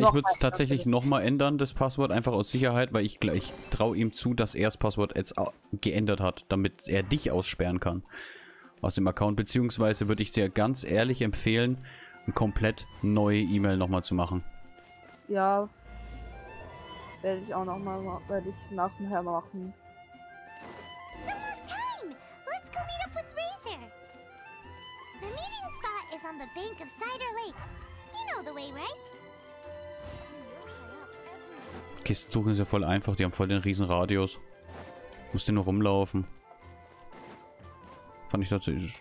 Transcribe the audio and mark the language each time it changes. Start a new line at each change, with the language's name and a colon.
German: Ja, ich würde es tatsächlich nochmal ändern, das Passwort, einfach aus Sicherheit, weil ich gleich traue ihm zu, dass er das Passwort jetzt geändert hat, damit er dich aussperren kann aus dem Account. Beziehungsweise würde ich dir ganz ehrlich empfehlen, eine komplett neue E-Mail nochmal zu machen. Ja. Werde ich auch noch mal werde ich nachher machen.
English: Let's go meet up with Razor. The meeting spot is on the bank of Cider Lake. You know the way, right?
German: Kisten suchen ist ja voll einfach, die haben voll den riesen Radius. Muss den nur rumlaufen. Fand ich dazu.